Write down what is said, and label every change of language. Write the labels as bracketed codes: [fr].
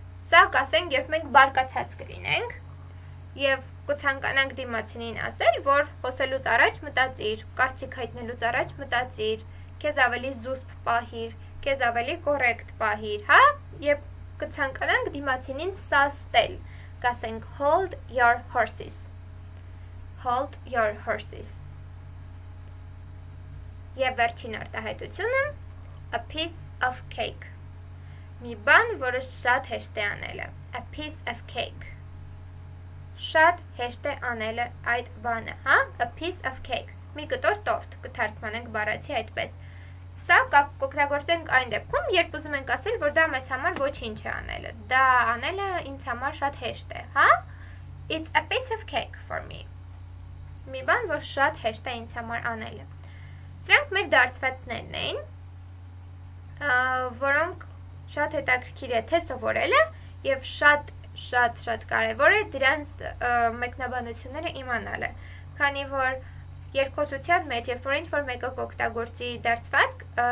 [hy] Սա կասենք, երբ մենք բարկացած կլինենք եւ կցանկանանք դիմացինին ասել, որ խոսելուց առաջ մտածիր, կարծիք հայտնելուց առաջ մտածիր, քեզ ավելի զուսպ պահիր, քեզ ավելի կորեկտ պահիր, հա? Եվ կցանկանանք դիմացինին սաստել, կասենք [en] hold your horses. Hold your horses. [hy] Եվ վերջին արտահայտությունը, [en] a piece of cake. [hy] Մի բան, որը շատ հեշտ է անելը, [en] a piece of cake. [hy] Շատ հեշտ է անելը այդ բանը, հա? [en] A piece of cake. [hy] Մի կտոր տորտ, կթարգմանենք բառացի այդպես. Սա կօգտագործենք այն դեպքում, երբ ուզում ենք ասել, որ դա մեզ համար ոչինչ է անելը. Դա անելը ինձ համար շատ հեշտ է, հա? [en] It's a piece of cake for me. [hy] Մի բան, որ շատ հեշտ է ինձ համար անելը. Սրանք մեր դարձվածներն էին, որոնք շատ հետաքրքիր է թե սովորելը եւ շատ շատ-շատ կարևոր է դրանց մեկնաբանությունները իմանալը, քանի որ երկխոսության մեջ, երբ որ ինչ-որ մեկը կօգտագործի դարձվածք,